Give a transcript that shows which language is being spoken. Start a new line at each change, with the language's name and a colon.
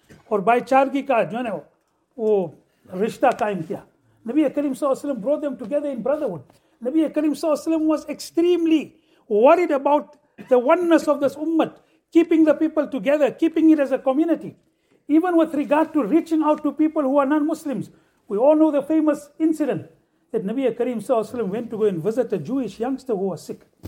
Urdu: اور بھائی چارگی کا جو ہے وہ رشتہ قائم کیا.
English: نبی کریم صلی اللہ علیہ وسلم brought them together in brotherhood. نبی کریم صلی اللہ علیہ وسلم was extremely worried about the oneness of this ummah, keeping the people together, keeping it as a community. Even with regard to reaching out to people who are non-Muslims, we all know the famous incident that Nabi Kareem Sallallahu Alaihi Wasallam went to go and visit a Jewish youngster who was sick.